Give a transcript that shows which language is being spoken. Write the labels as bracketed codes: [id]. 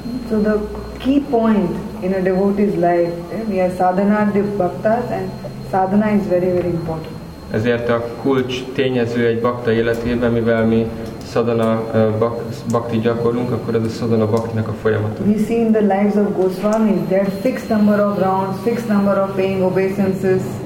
[en] So the key point in a devotee's life, we are sadhana bhaktas, and sadhana is very, very important. [hu] Ezért a kulcs tényező egy bhakta életében, mivel mi szadana bhakti gyakorlunk, akkor ez a szadana bhaktinak a folyamata. [en] We see in the lives of Goswami, there fixed number of rounds, fixed number of paying obeisances.